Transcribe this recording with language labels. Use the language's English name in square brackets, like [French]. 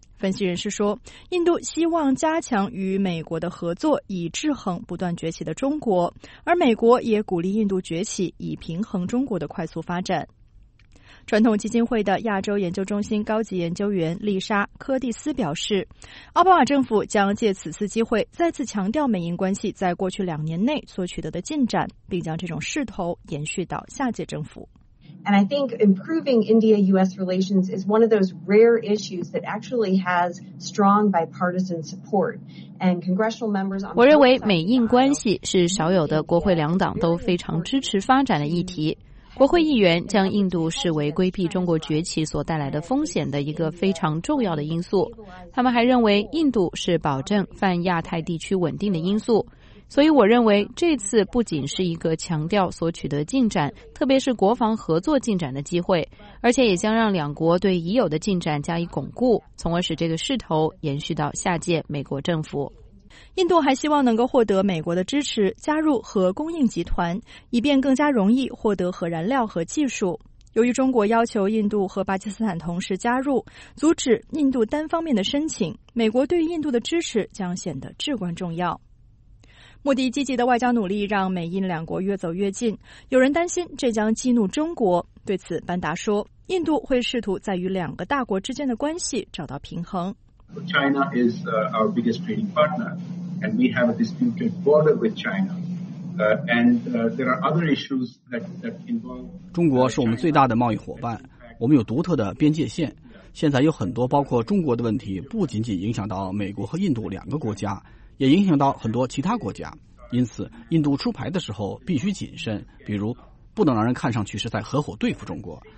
[Chinese] 分析人士说，印度希望加强与美国的合作，以制衡不断崛起的中国，而美国也鼓励印度崛起，以平衡中国的快速发展。传统基金会的亚洲研究中心高级研究员丽莎·科蒂斯表示，奥巴马政府将借此次机会再次强调美印关系在过去两年内所取得的进展，并将这种势头延续到下届政府。 [English] And I think improving India-US relations is one of those rare issues that actually has strong bipartisan support. And congressional members on. [Chinese] 我认为美印关系是少有的国会两党都非常支持发展的议题。国会议员将印度视为规避中国崛起所带来的风险的一个非常重要的因素。他们还认为印度是保证泛亚太地区稳定的因素。所以我认为这次不仅是一个强调所取得进展，特别是国防合作进展的机会，而且也将让两国对已有的进展加以巩固，从而使这个势头延续到下届美国政府。印度还希望能够获得美国的支持，加入核供应集团，以便更加容易获得核燃料和技术。由于中国要求印度和巴基斯坦同时加入，阻止印度单方面的申请，美国对印度的支持将显得至关重要。莫迪积极的外交努力让美印两国越走越近，有人担心这将激怒中国。对此，班达说，印度会试图在与两个大国之间的关系找到平衡。 [English] China is our biggest trading partner, and we have a disputed border with China. And there are other issues that involve. [Chinese] 中国是我们最大的贸易伙伴，我们有独特的边界线。现在有很多包括中国的问题，不仅仅影响到美国和印度两个国家，也影响到很多其他国家。因此，印度出牌的时候必须谨慎，比如不能让人看上去是在合伙对付中国。